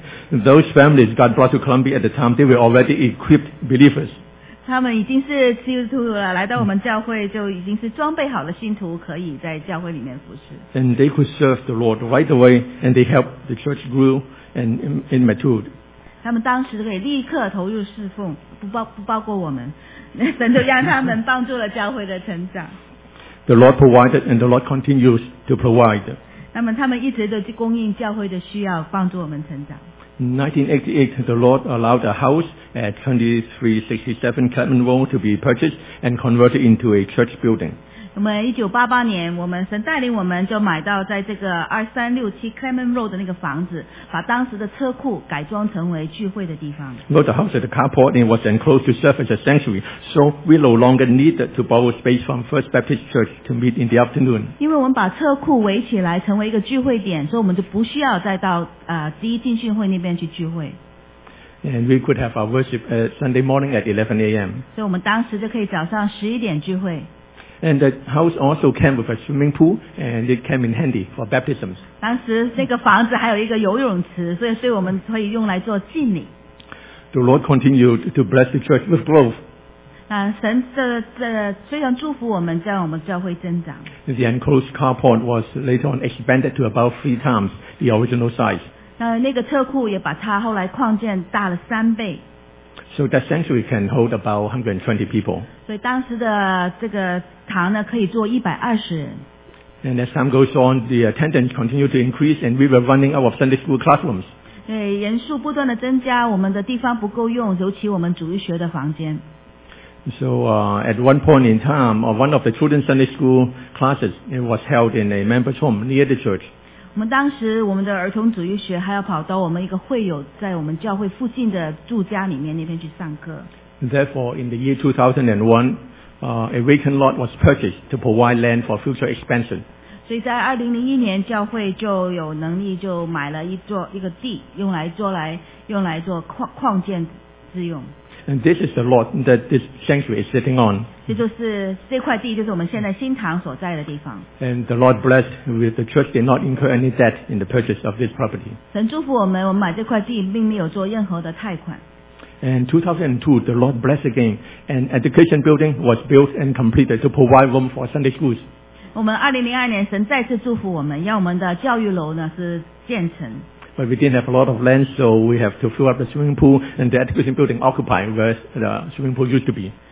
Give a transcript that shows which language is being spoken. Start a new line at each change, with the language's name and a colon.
English: Those families God brought to Columbia at the time, they were already equipped believers.
Chinese: 他们已经是基督徒了，来到我们教会就已经是装备好了信徒，可以在教会里面服侍。
English: And they could serve the Lord right away, and they helped the church grow and in matured.
Chinese: 他们当时可以立刻投入侍奉，不包括我们，神就让他们帮助了教会的成长。
English: The Lord provided, and the Lord continues to provide.
Chinese: 那么他们一直都去供应教会的需要，帮助我们成长。
English: In 1988, the Lord allowed a house at 2367 Clement Road to be purchased and converted into a church building.
Chinese: 我们1988年，我们神带领我们就买到在这个2367 Clement Road 的那个房子，把当时的车库改装成为聚会的地方。
English: Built a house at the carport and it was enclosed to serve as a sanctuary, so we no longer needed to borrow space from First Baptist Church to meet in the afternoon.
Chinese: 因为我们把车库围起来成为一个聚会点，所以我们就不需要再到第一浸信会那边去聚会。
English: And we could have our worship Sunday morning at 11 a.m.
Chinese: 所以我们当时就可以早上11点聚会。
English: And the house also came with a swimming pool, and it came in handy for baptisms.
Chinese: 当时那个房子还有一个游泳池，所以是我们可以用来做浸礼。
English: The Lord continued to bless the church with growth.
Chinese: 神这虽然祝福我们，让我们教会增长。
English: The enclosed carport was later on expanded to about 3 times the original size.
Chinese: 那个车库也把它后来扩建大了3倍。
English: So that sanctuary can hold about 120 people.
Chinese: 所以当时的这个堂呢，可以坐120人。
English: And as time goes on, the attendance continued to increase, and we were running out of Sunday school classrooms.
Chinese: 对，人数不断的增加，我们的地方不够用，尤其我们主日学的房间。
English: So at one point in time, one of the children's Sunday school classes it was held in a member's home near the church.
Chinese: 我们当时我们的儿童主日学还要跑到我们一个会友在我们教会附近的住家里面那边去上课。
English: Therefore, in the year 2001,a vacant lot was purchased to provide land for future expansion.
Chinese: 所以在2001年教会就有能力就买了一个地用来做扩建之用。
English: And this is the lot that this sanctuary is sitting on.
Chinese: 这就是这块地，就是我们现在新堂所在的地方。
English: And the Lord blessed with the church did not incur any debt in the purchase of this property.
Chinese: 神祝福我们，我们买这块地并没有做任何的贷款。
English: And 2002, the Lord blessed again. An education building was built and completed to provide room for Sunday schools.
Chinese: 我们2002年神再次祝福我们，要我们的教育楼呢是建成。
English: But we didn't have a lot of land, so we have to fill up the swimming pool and the education building occupied where the swimming pool used to be.